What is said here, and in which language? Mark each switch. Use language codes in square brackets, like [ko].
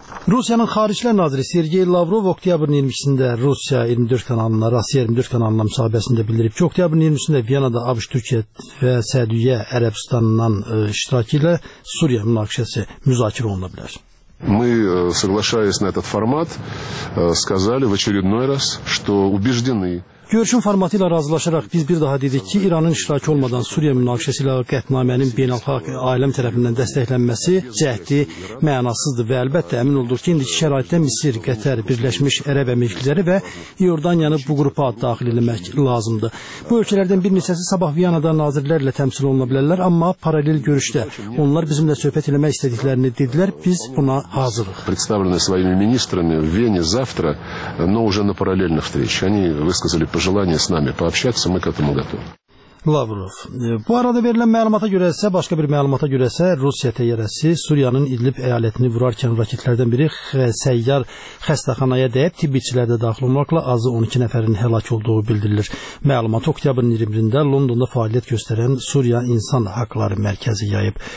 [az] Rusiyanın Xarici Naziri Sergey Lavrov oktyabrın 22-sində Rusiya 24 kanalına, Rusiya 24 kanalına müsahibəsində bildirib ki, oktyabrın 20-sində Viyana'da ABŞ, Türkiyə və Səudiyyə Ərəbistanından iştirakı ilə Suriya münaqişəsi müzakirə oluna bilər. [ru] Мы соглашаясь на этот формат, сказали в очередной раз, что убеждены [az] Görüşün formatı ilə razılaşaraq biz bir daha dedik ki, İranın iştirakı olmadan Suriye münaqişəsi ilə qətnamənin beynəlxalq aləm tərəfindən dəstəklənməsi cəhdi mənasızdır və əlbəttə əmin olduq ki, indiki şəraitdə Misir, Qətər, Birləşmiş Ərəb Əmirlikləri və Yordaniyanı bu qrupa daxil etmək lazımdır. Bu ölkələrdən bir neçəsi sabah Viyanada nazirlərlə təmsil oluna bilərlər, amma paralel görüşdə onlar bizimlə söhbət eləmək istədiklərini dedilər, biz buna hazırıq. [ru] Представлены своими министрами в Вене завтра, но уже на параллельных встречах. Они высказали пожелание с нами пообщаться, мы к этому готовы. [az] Lavrov. Bu arada verilən məlumata görə isə, başqa bir məlumata görə isə Rusiya təyyarəsi Suriyanın İdlib əyalətini vurarkən raketlərdən biri səyyar xəstəxanaya dəyib, tibbiçilər də daxil olmaqla azı 12 nəfərin həlak olduğu bildirilir. Məlumat oktyabrın 21-də Londonda fəaliyyət göstərən Suriya İnsan Haqları Mərkəzi yayıb.